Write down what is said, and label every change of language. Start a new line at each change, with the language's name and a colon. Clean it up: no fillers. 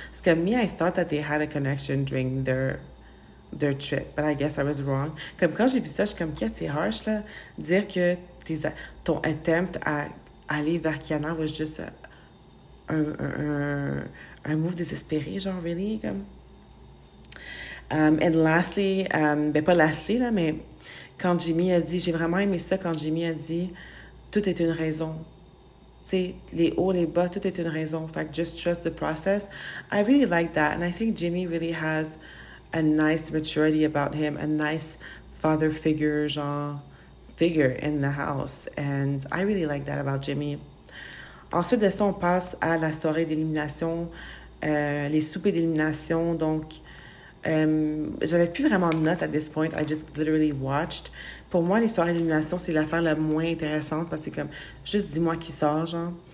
French: Parce que
English: me, I thought that they had a connection during their trip, but I guess I was wrong.
French: Comme, quand j'ai vu ça, je suis comme, qu'est-ce que c'est harsh, là? Dire que ton attempt à aller vers Kiana
English: was just
French: un move désespéré, genre, really, comme.
English: And lastly,
French: ben pas lastly, là, mais quand Jimmy a dit, j'ai vraiment aimé ça quand Jimmy a dit, tout est une raison. Tu sais, les hauts, les bas, tout est une raison. Fait que
English: just trust the process. I really like that. And I think Jimmy really has a nice maturity about him, a nice father figure, genre, figure in the house. And I really like that about Jimmy.
French: Ensuite de ça, on passe à la soirée d'élimination, les soupers d'élimination, donc. J'avais plus vraiment de notes
English: at this point. I just literally watched.
French: Pour moi, les soirées d'élimination, c'est l'affaire la moins intéressante parce que c'est comme, juste dis-moi qui sort, genre.